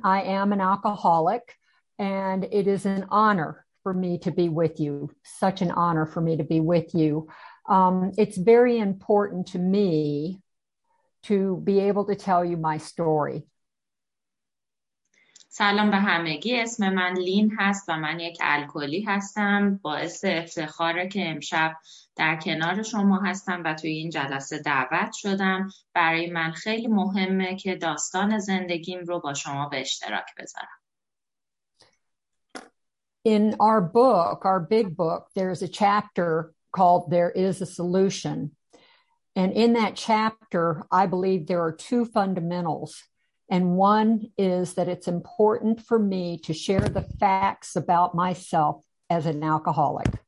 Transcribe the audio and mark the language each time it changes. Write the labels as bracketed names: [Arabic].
[English] I am an alcoholic, and it is an honor for me to be with you. Such an honor for me to be with you. It's very important to me to be able to tell you my story. [Persian] سلام به همگی، اسم من لین هست و من یک الکلی هستم. باعث افتخاره که امشب در کنار شما هستم و توی این جلسه دعوت شدم. برای من خیلی مهمه که داستان زندگیم رو با شما به اشتراک بذارم. [English] In our book, our big book, there is a chapter called There is a Solution. And in that chapter, I believe there are two fundamentals. And one is that it's important for me to share the facts about myself as an alcoholic.